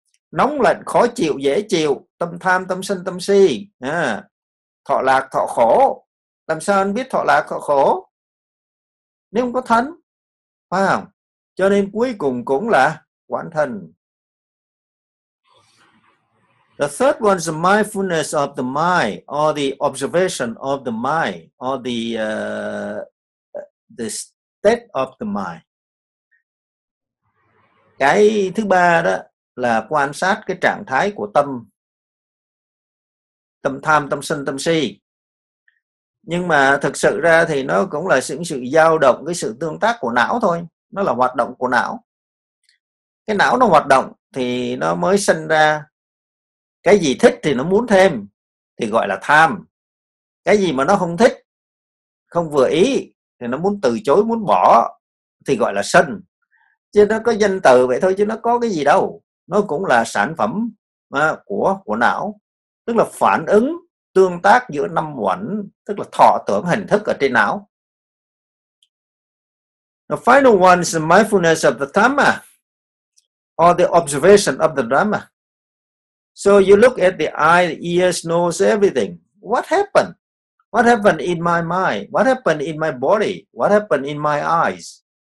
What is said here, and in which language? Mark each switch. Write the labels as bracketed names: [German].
[Vietnamese] Nóng lạnh, khó chịu, dễ chịu, tâm tham, tâm sân, tâm si, thọ lạc, thọ khổ. Làm sao anh biết thọ lạc, thọ khổ? Nếu không có thân, phải không? Cho nên cuối cùng cũng là quán thân. [English] The third one is the mindfulness of the mind, or the observation of the mind, or the state of the mind. [Vietnamese] Cái thứ ba đó là quan sát cái trạng thái của tâm, tâm tham, tâm sân, tâm si. Nhưng mà thực sự ra thì nó cũng là những sự dao động, cái sự tương tác của não thôi. Nó là hoạt động của não. Cái não nó hoạt động thì nó mới sinh ra. Cái gì thích thì nó muốn thêm thì gọi là tham. Cái gì mà nó không thích, không vừa ý thì nó muốn từ chối, muốn bỏ thì gọi là sân. Chứ nó có danh từ vậy thôi chứ nó có cái gì đâu. Nó cũng là sản phẩm của não. Tức là phản ứng tương tác giữa năm uẩn, tức là thọ tưởng hình thức ở trên não. [English] The final one is the mindfulness of the tamma, or the observation of the Dhamma. So you look at the eye, ears, nose, everything. What happened? What happened in my mind? What happened in my body? What happened in my eyes?